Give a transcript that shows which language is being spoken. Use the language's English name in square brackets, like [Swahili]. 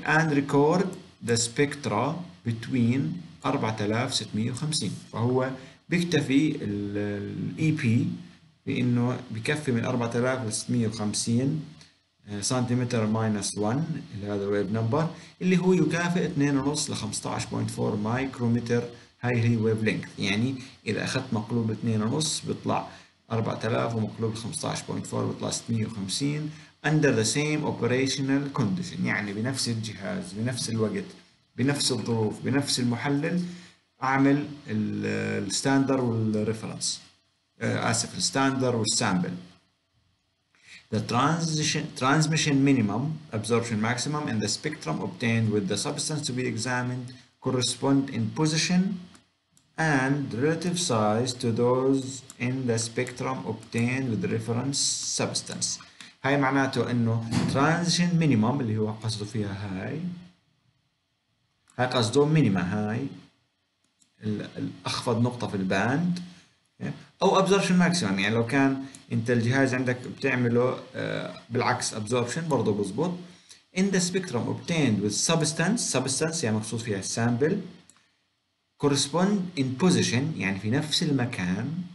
[English] And record the spectra between 4650. [Arabic] فهو بيكتفي الـ EP بأنه بيكفي من 4650 سنتيمتر ماينس 1 اللي هذا الويب نمبر، اللي هو يكافئ 2.5 ل 15.4 مايكرومتر، هاي هي ويب لينكث. يعني إذا أخذت مقلوب 2.5 بيطلع 4000، ومقلوب 15.4 بيطلع 650. [English] under the same operational condition، [Arabic] يعني بنفس الجهاز بنفس الوقت بنفس الظروف بنفس المحلل اعمل الستاندر والريفرنس، اسف الستاندر والسامبل. [English] the transmission minimum absorption maximum and the spectrum obtained with the substance to be examined correspond in position and relative size to those in the spectrum obtained with the reference substance. [Arabic] هاي معناته انه transition minimum اللي هو قصده فيها هاي قصده minima، هاي الاخفض نقطة في الباند، او absorption maximum، يعني لو كان انت الجهاز عندك بتعمله بالعكس absorption برضو بزبط. [English] in the spectrum obtained with substance [Arabic] يعني مقصود فيها [English] sample correspond in position، [Arabic] يعني في نفس المكان.